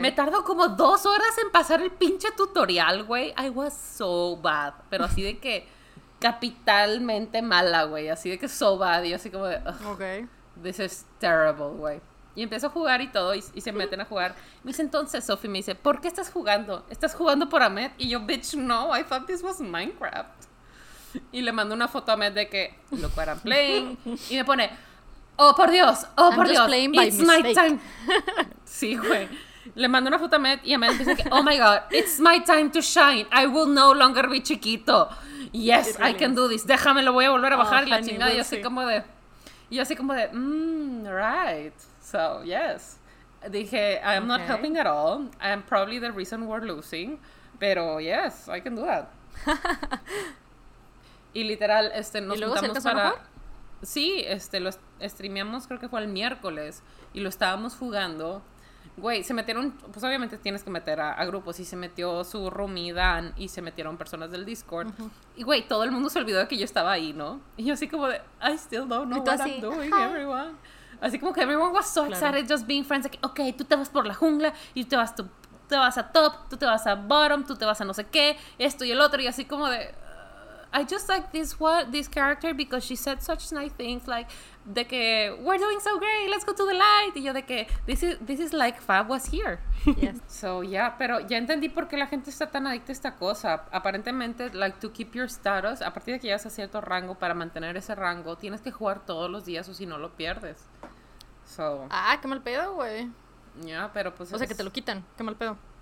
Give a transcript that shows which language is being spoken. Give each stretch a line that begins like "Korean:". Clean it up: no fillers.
Spanish: Me tardó como 2 horas en pasar el pinche tutorial, güey.
English: I was so bad.
Spanish: Pero así de que capitalmente mala, güey. Así de que
English: so bad.
Spanish: Y así como de, okay,
English: this is terrible,
Spanish: güey. Y empiezo a jugar y todo, y se meten a jugar. Me dice entonces, Sophie, me dice, ¿por qué estás jugando? ¿Estás jugando por Ahmed? Y yo, bitch, no,
English: I thought this was Minecraft.
Spanish: Y le mando una foto a Ahmed de que,
English: look what I'm playing.
Spanish: Y me pone, oh, por Dios,
English: it's my time.
Spanish: Sí, güey. Le mando una foto a Ahmed, y Ahmed dice que,
English: oh my God, it's my time to shine. I will no longer be chiquito. Yes, I can do this.
Spanish: Déjame, lo voy a volver a bajar. Oh, y la chingada, y así como de, right.
English: So, yes, dije, I'm not helping at all, I'm probably the reason we're losing, pero yes, I can do that.
Spanish: Y literal, nos juntamos para... ¿Y luego se empezó a jugar? Sí, lo streameamos, creo que fue el miércoles, y lo estábamos jugando. Güey, se metieron, pues obviamente tienes que meter a grupos, y se metió su roomie Dan, y se metieron personas del Discord. Uh-huh. Y güey, todo el mundo se olvidó de que yo estaba ahí, ¿no? Y yo así como de,
English: I still don't know what I'm doing, everyone.
Spanish: Así como que
English: everyone was so excited just being friends.
Spanish: Like, okay, tú te vas por la jungla y te vas a top, tú te vas a bottom, tú te vas a no sé qué, esto y el otro. Y así como de,
English: I just like this this character because she said such nice things, like, de que, we're doing so great, let's go to the light.
Spanish: Y yo de que,
English: this is like Fab was here. Yes. So, yeah,
Spanish: pero ya entendí por qué la gente está tan adicta a esta cosa. Aparentemente, like,
English: to keep your status,
Spanish: a partir de que llegas a cierto rango, para mantener ese rango, tienes que jugar todos los días o si no lo pierdes. So. Ah, qué mal pedo, güey. Ya, yeah, pero pues... O sea, que te lo quitan, qué mal pedo.